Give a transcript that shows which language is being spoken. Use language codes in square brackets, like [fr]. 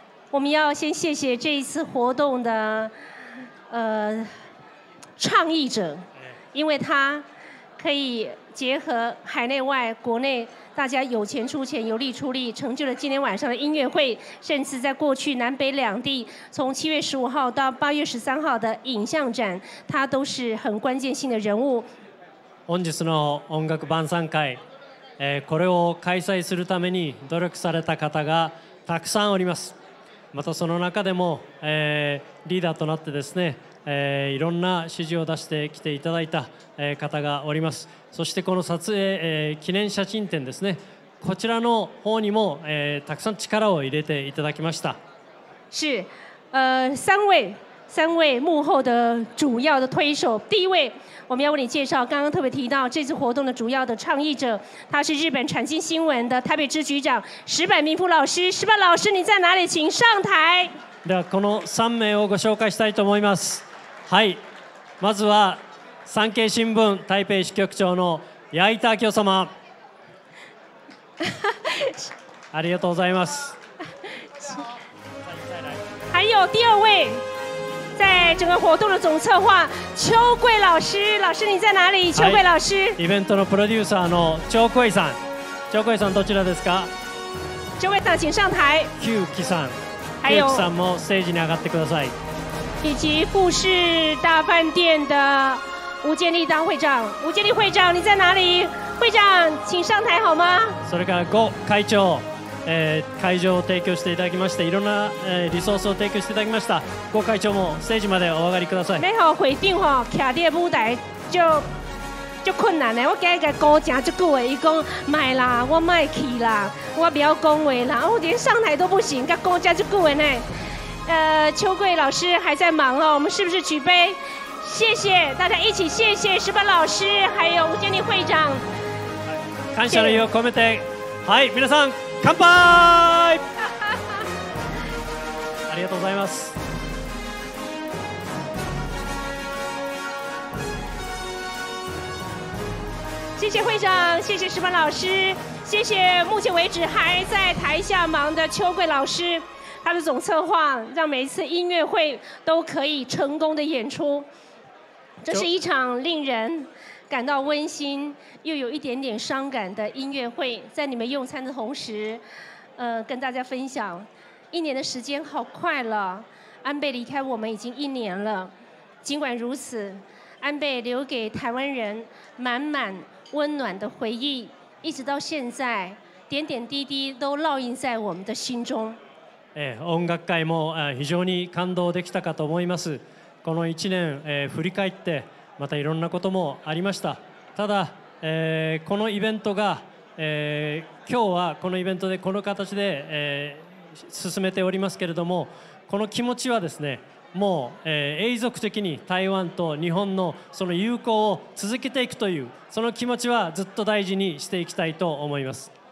[zh] 我们要先谢谢这一次活动的倡议者，因为他可以结合海内外、国内。大家有钱出钱，有力出力，成就了今天晚上的音乐会，甚至在过去南北两地，从7月15号到8月13号的影像展，他都是很关键性的人物。 [ja] 本日の音楽晩餐会、これを開催するために努力された方がたくさんおります。またその中でも、リーダーとなってですね、いろんな指示を出してきていただいた、方がおります。そしてこの撮影、記念写真展ですね、こちらの方にも、たくさん力を入れていただきました。 [zh] 是、三位幕后的主要的推手。第一位我们要为你介绍，刚刚特别提到这次活动的主要的倡议者，他是日本产经新闻的台北支局长石坂明夫老师。石坂老师你在哪里，请上台。 [ja] ではこの3名をご紹介したいと思います。はい、まずは産経新聞台北支局長の矢板明夫様ありがとうございます。 [zh] 还有第二位在整个活动的总策划秋桂老师，老师你在哪里？秋桂老师、 [ja] はい、イベントのプロデューサーの秋桂さん。秋桂さんどちらですか？ [zh] 秋桂さん请上台。 [ja] 久木さん、 [zh] 还有 [ja] さんもステージに上がってください。 [zh] 以及富士大饭店的吴建立当会长。吴建立会长你在哪里？会长请上台好吗？ [ja] それから呉会長、会場を提供していただきまして、いろんな、リソースを提供していただきました。呉会長もステージまでお上がりください。 [zh] 没有回定站在舞台就困难了。我跟他说很久，他说不啦，我不要去啦，我不要恭维啦，我连上台都不行，跟他说很久呢。秋桂老师还在忙哦，我们是不是举杯谢谢大家，一起谢谢石坂老师还有吴建立会长。 [ja] 感謝の意を込めて、はい、皆さん乾杯ありがとうございます。 [zh] 谢谢会长，谢谢石坂老师，谢谢目前为止还在台下忙的秋桂老师，他的总策划让每一次音乐会都可以成功的演出。这是一场令人感到温馨又有一点点伤感的音乐会，在你们用餐的同时，跟大家分享，一年的时间好快了，安倍离开我们已经一年了，尽管如此，安倍留给台湾人满满温暖的回忆，一直到现在，点点滴滴都烙印在我们的心中。 [ja] 音楽界も非常に感動できたかと思います。この1年、振り返ってまたいろんなこともありました。ただ、このイベントが、今日はこのイベントでこの形で、進めておりますけれども、この気持ちはですね、もう、永続的に台湾と日本のその友好を続けていくという、その気持ちはずっと大事にしていきたいと思います。